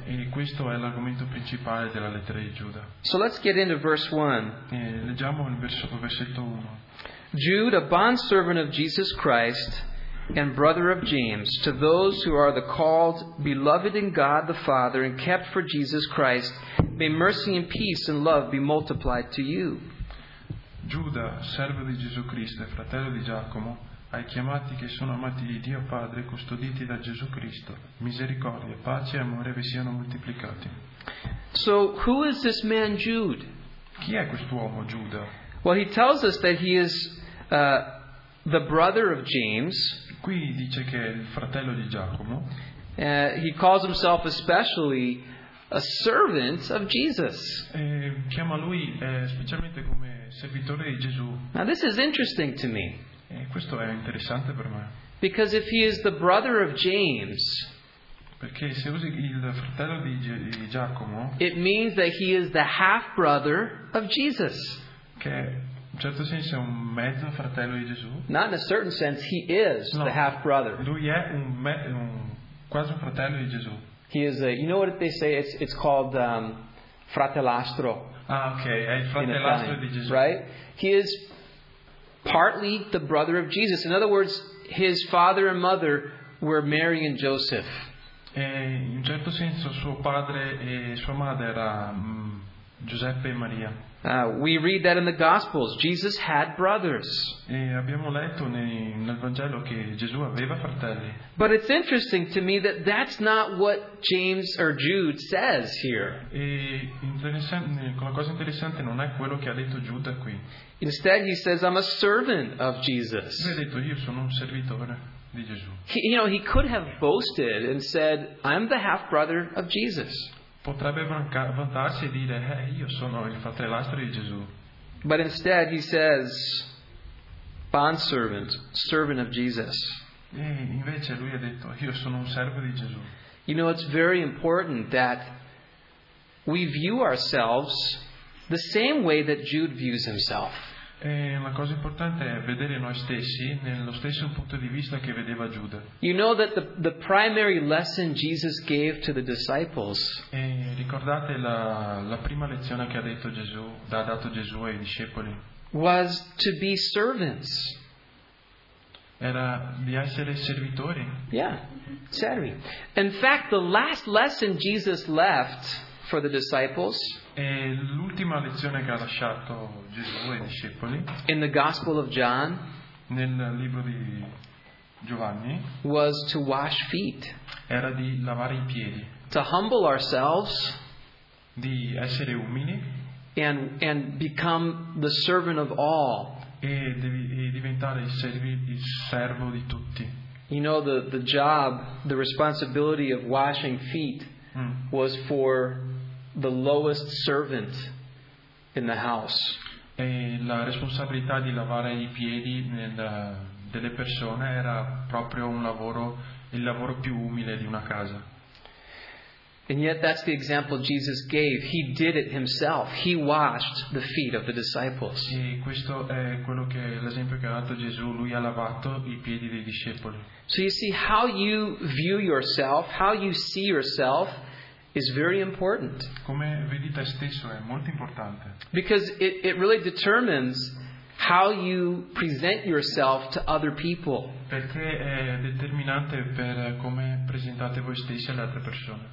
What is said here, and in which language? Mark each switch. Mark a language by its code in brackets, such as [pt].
[it] E questo è l'argomento principale della lettera di Giuda. [en] So let's get into verse 1. [it] Leggiamo il versetto 1. [en] Jude, a bondservant of Jesus Christ and brother of James, to those who are the called, beloved in God the Father, and kept for Jesus Christ, may mercy and peace and love be multiplied to you. [it] Giuda, servo di Gesù Cristo e fratello di Giacomo, ai chiamati che sono amati di Dio Padre, custoditi da Gesù Cristo, misericordia, pace e amore vi siano moltiplicati. [en] So, who is this man Jude? [it] Chi è quest'uomo Giuda? [en] Well, he tells us that he is the brother of James. [it] Qui dice che è il fratello di Giacomo. [en] He calls himself especially a servant of Jesus. [it] Chiama lui specialmente come servitore di Gesù. [en] Now this is interesting to me. [it] Questo è interessante per me. [en] Because if he is the brother of James, [it] perché se usi il fratello di Giacomo, [en] it means that he is the half brother of Jesus. [it] Che in un certo senso è un mezzo fratello di Gesù. [en] Not in a certain sense, he is no, the half brother. [it] Lui è quasi un fratello di Gesù. [en] He is a, you know what they say? It's called fratellastro. [it] Ah, okay, è il fratellastro di Gesù. [en] Right? He is partly the brother of Jesus. In other words, his father and mother were Mary and Joseph. [it] E in un certo senso suo padre e sua madre era Giuseppe e Maria. [en] We read that in the Gospels, Jesus had brothers. [it] E abbiamo letto nel Vangelo che Gesù aveva fratelli. [en] But it's interesting to me that that's not what James or Jude says here. [it] E interessante, la cosa interessante non è quello che ha detto Giuda qui. [en] Instead, he says, "I'm a servant of Jesus." [it] Lui ha detto, io sono un servitore di Gesù. [en] You know, he could have boasted and said, "I'm the half brother of Jesus." [it] Potrebbe vantarsi e dire, io sono il fratellastro di Gesù. [en] But instead he says, bondservant, servant of Jesus. [it] E invece lui ha detto, io sono un servo di Gesù. [en] You know, it's very important that we view ourselves the same way that Jude views himself. [it] E la cosa importante è vedere noi stessi nello stesso punto di vista che vedeva Giuda. [en] You know that the primary lesson Jesus gave to the disciples. [it] E ricordate la prima lezione che ha dato Gesù ai discepoli. [en] Was to be servants. [it] Era di essere servitori. [en] Yeah, servi. In fact, the last lesson Jesus left for the disciples. [it] E l'ultima lezione che ha lasciato Gesù ai discepoli [en] in the Gospel of John, [it] nel libro di Giovanni, [en] was to wash feet, [it] era di lavare i piedi, [en] to humble ourselves, [it] di essere umili, [en] and become the servant of all, [it] e diventare il servo di tutti. [en] You know, the job, the responsibility of washing feet was for the lowest servant in the house. [it] E la responsabilità di lavare i piedi delle persone era proprio il lavoro più umile di una casa. [en] And yet that's the example Jesus gave. He did it himself. He washed the feet of the disciples. [it] E questo è quello che l'esempio che ha dato Gesù. Lui ha lavato i piedi dei discepoli. [en] So you see, how you view yourself, how you see yourself, is very important. [it] Come vedi te stesso è molto importante. [en] Because it really determines how you present yourself to other people. [it] Perché è determinante per come presentate voi stessi alle altre persone.